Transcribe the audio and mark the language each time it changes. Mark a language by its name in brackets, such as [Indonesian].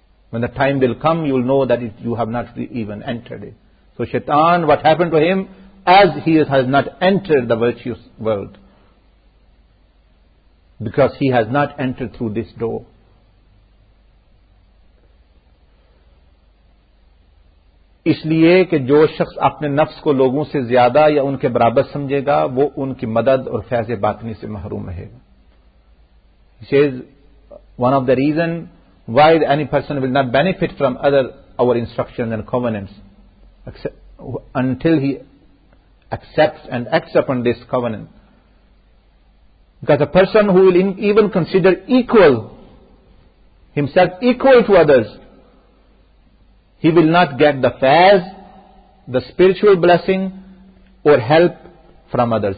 [English] When the time will come, you will know that you have not even entered it. So Shaitan, what happened to him? As he has not entered the virtuous world. Because he has not entered through this door. [Urdu] اس لیے کہ جو شخص اپنے نفس کو لوگوں سے زیادہ یا ان کے برابر سمجھے گا وہ ان کی مدد اور فیض باطنی سے محروم رہے گا. [English] He says, one of the reason why any person will not benefit from other our instructions and covenants until he accepts and acts upon this covenant. Because a person who will even consider equal, himself equal to others, he will not get the faiz, the spiritual blessing, or help from others.